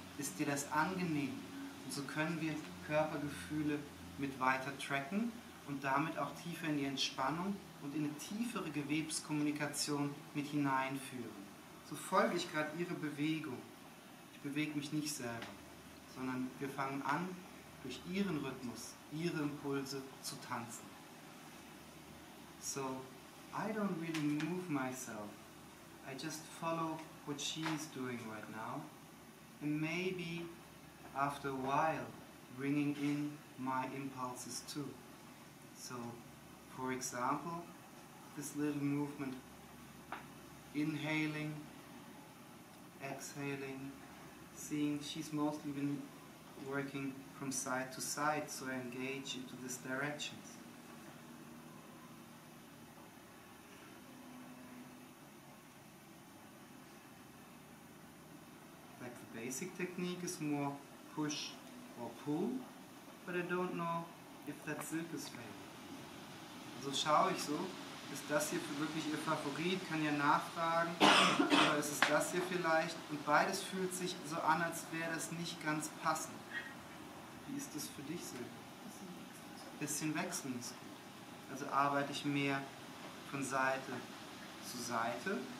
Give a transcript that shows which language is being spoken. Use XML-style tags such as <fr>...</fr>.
<de>Ist dir das angenehm? Und so können wir Körpergefühle mit weiter tracken und damit auch tiefer in die Entspannung und in eine tiefere Gewebskommunikation mit hineinführen. So folge ich gerade ihrer Bewegung. Ich bewege mich nicht selber, sondern wir fangen an, durch ihren Rhythmus, ihre Impulse zu tanzen.</de> <en>So, I don't really move myself. I just follow what she is doing right now. And maybe after a while, bringing in my impulses too. So, for example, this little movement, inhaling, exhaling, seeing she's mostly been working from side to side, so I engage into these directions. Like the basic technique is more push or pull, but I don't know if that's Silke's favorite.</en> <de>Also schaue ich so, ist das hier für wirklich ihr Favorit, kann ja nachfragen, oder ist es das hier vielleicht? Und beides fühlt sich so an, als wäre das nicht ganz passend. Wie ist das für dich, Silke? Bisschen wechseln ist gut. Also arbeite ich mehr von Seite zu Seite.</de>